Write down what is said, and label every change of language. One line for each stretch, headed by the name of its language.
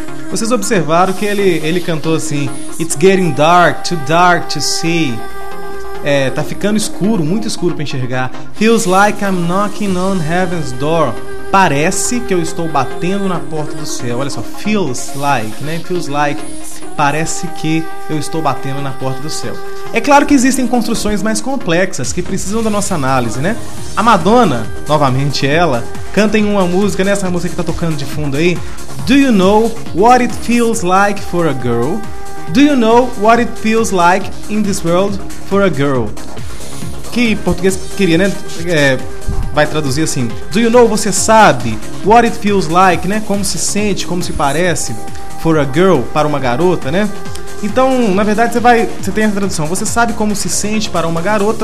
Portuguese: Vocês observaram que ele cantou assim:
English: It's getting dark to see.
Portuguese: Tá ficando escuro, muito escuro pra enxergar.
English: Feels like I'm knocking on heaven's door.
Portuguese: Parece que eu estou batendo na porta do céu. Olha só,
English: feels like,
Portuguese: né?
English: Feels like,
Portuguese: parece que eu estou batendo na porta do céu. É claro que existem construções mais complexas que precisam da nossa análise, né? A Madonna, novamente ela, canta em uma música, né? Essa música que tá tocando de fundo aí.
English: Do you know what it feels like for a girl? Do you know what it feels like in this world for a girl?
Portuguese: Que em português queria, né? Vai traduzir assim.
English: Do you know,
Portuguese: você sabe
English: what it feels like,
Portuguese: né? Como se sente, como se parece
English: for a girl,
Portuguese: para uma garota, né? Então, na verdade, você tem essa tradução. Você sabe como se sente para uma garota.